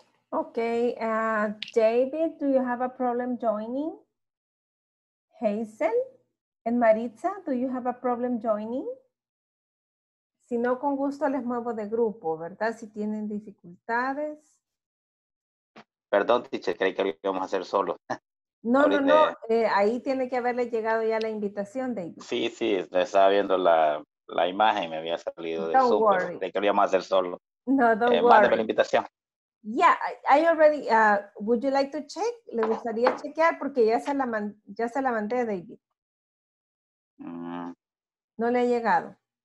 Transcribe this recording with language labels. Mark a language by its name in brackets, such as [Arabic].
[English] Okay, David, do you have a problem joining? Hazel and Maritza, do you have a problem joining? [Spanish] Si no, con gusto les muevo de grupo, ¿verdad? Si tienen dificultades. Perdón, teacher, creí que lo íbamos a hacer solo. No, no, no. Ahí tiene que haberle llegado ya la invitación, David. Sí, sí, estaba viendo la imagen y me había salido [English] don't [Spanish] de Zoom. Creí que lo íbamos a hacer solo. [English] No, don't worry. [Spanish] Mándeme la invitación. [English] Yeah, I already, would you like to check? [Spanish] Le gustaría chequear porque ya se la mandé, David. No le ha llegado.